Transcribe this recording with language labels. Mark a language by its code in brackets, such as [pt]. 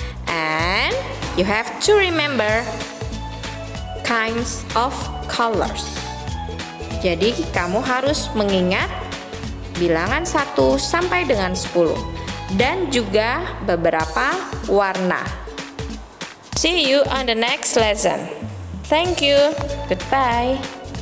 [en] And you have to remember kinds of colors. [id] Jadi, kamu harus mengingat bilangan 1 sampai dengan 10 dan juga beberapa warna. [en] See you on the next lesson. Thank you. Goodbye.